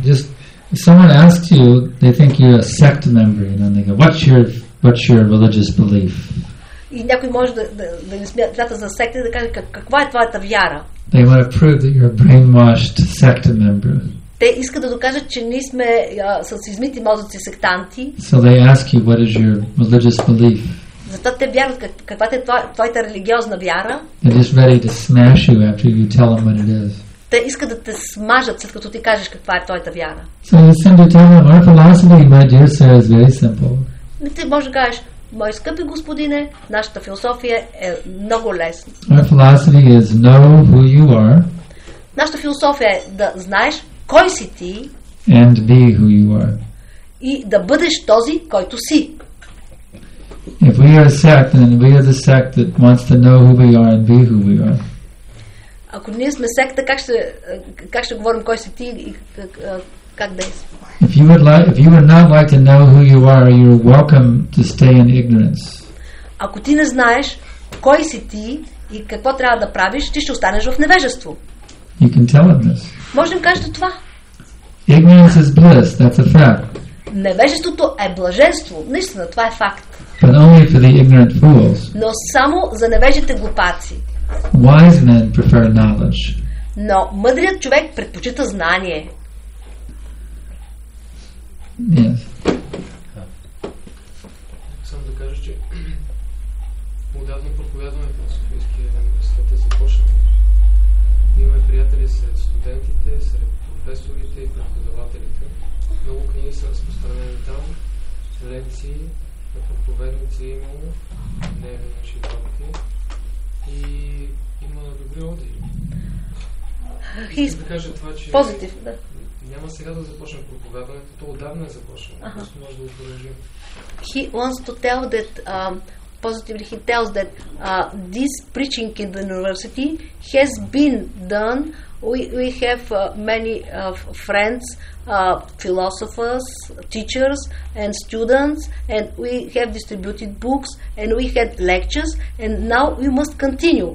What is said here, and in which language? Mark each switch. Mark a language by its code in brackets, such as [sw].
[en] Just if someone asks you, they think you're a sect member, and then they go, what's your religious belief? [bg] И някой може да не смята за секта и да каже, каква е твоята вяра? [en] They want to prove that you're a brainwashed sect member. [bg] Те искат да докажат, че ние сме с измити мозъци сектанти. [en] So they ask you, what is your religious belief? [bg] Затова те вярват, каква е твоята религиозна вяра. [en] They're just ready to smash you after you tell them what it is. [bg] Те искат да те смажат, след като ти кажеш каква е твоята вяра. [en] So you seem to tell them, our philosophy, my dear sir, is very simple. [bg] Но ти може да кажеш, мой скъпи господине, нашата философия е много лесна. [en] Our philosophy is know who you are. [bg] Нашата философия е да знаеш кой си ти. [en] And be who you are. [bg] И да бъдеш този, който си. [en] If we are a sect, then we are the sect that wants to know who we are and be who we are. [bg] Ако ние сме секта, как ще говорим кой си ти и как да си? [en] If you would like, if you would not like to know who you are, you're welcome to stay in ignorance. [bg] Ако ти не знаеш кой си ти и какво трябва да правиш, ти ще останеш в невежество. [en] You can tell them this. [bg] Може да им кажете това. [en] Ignorance is bliss, that's a fact. [bg] Невежеството е блаженство. Наистина, това е факт. [en] But only for the ignorant fools. [bg] Но само за невежите глупаци. [en] Wise men prefer knowledge. [bg] Но мъдрият човек предпочита знание. [en] Yes. [bg] Само да кажа, че отдавна проповядваме по Софийския университет, започнахме. Имаме приятели сред студентите, сред професорите и преподавателите. Много книги са разпространени там, лекции на проповедници има, не е на животни. И има добри отзиви. Да кажа това, че позитив, да. Няма сега да започнем проповядването, то отдавна е започнало. Просто може да го продължим. [en] He wants to tell that positively he tells that this preaching in the university has been done. We have many friends, philosophers, teachers and students, and we have distributed books and we had lectures, and now we must continue.